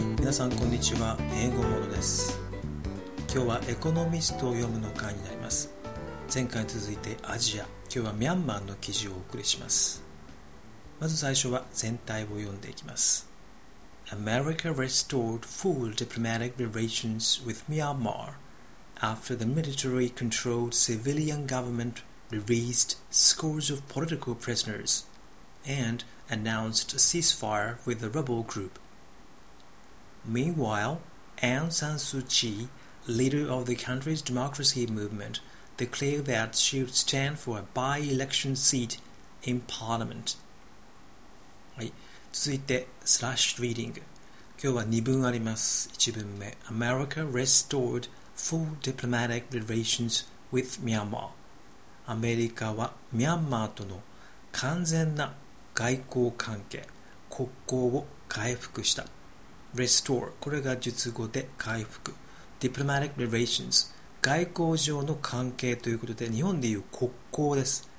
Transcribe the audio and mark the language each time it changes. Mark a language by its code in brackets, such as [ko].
[ja] さんこんにちは、英語モノです。今日はエコノミストを読むの回になります。前回続いてアジア、今日はミャンマーの記事をお送りします。まず最初は全体を読んでいきます。 [en] America restored full diplomatic relations with Myanmar after the military-controlled civilian government released scores of political prisoners and announced a ceasefire with the rebel groupMeanwhile, Aung San Suu Kyi, leader of the country's democracy movement, declared that she would stand for a by-election seat in parliament. [ja] はい、続いてスラッシュリーディング。今日は2文あります。 1文目、 [en] America restored full diplomatic relations with Myanmar. [ja] アメリカはミャンマーとの完全な外交関係、国交を回復した。 Restore、 これが述語で回復。Diplomatic relations、 外交上の関係ということで、日本でいう国交です。